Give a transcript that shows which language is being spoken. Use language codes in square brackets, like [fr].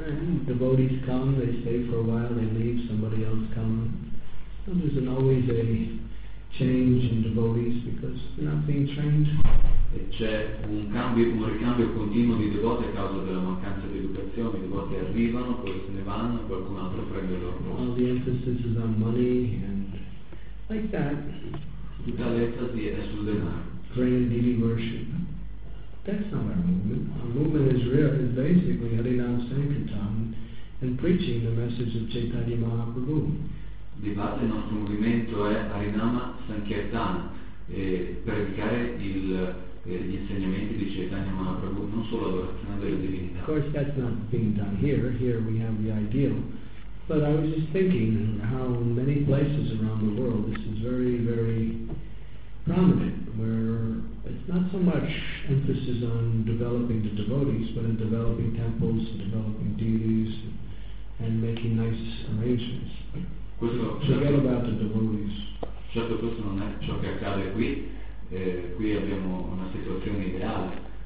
[en] The devotees come, they stay for a while, they leave, somebody else come. So there's always a change in devotees because they're not being trained. [it] C'è un ricambio continuo di devoti a causa della mancanza di educazione. I devoti arrivano, poi se ne vanno, qualcun altro prende il loro posto. [en] All the emphasis is on money and like that. [it] Tutta l'enfasi è sul denaro. [en] Grand deity worship. That's not our movement. Our movement is real, is basically Harinam Sankirtan and preaching the message of Chaitanya Mahaprabhu. [it] Di base il nostro movimento è Harinama Sankirtana, predicare gli insegnamenti di Chaitanya Mahaprabhu, non solo l'adorazione delle divinità. [en] Of course that's not being done here we have the ideal, but I was just thinking how many places around the world this is very, very prominent, where it's not so much emphasis on developing the devotees, but in developing temples and developing deities and making nice arrangements. [it] Questo, [en] forget about the devotees. [it] Certo, questo non è ciò che accade qui. Qui abbiamo una situazione ideale.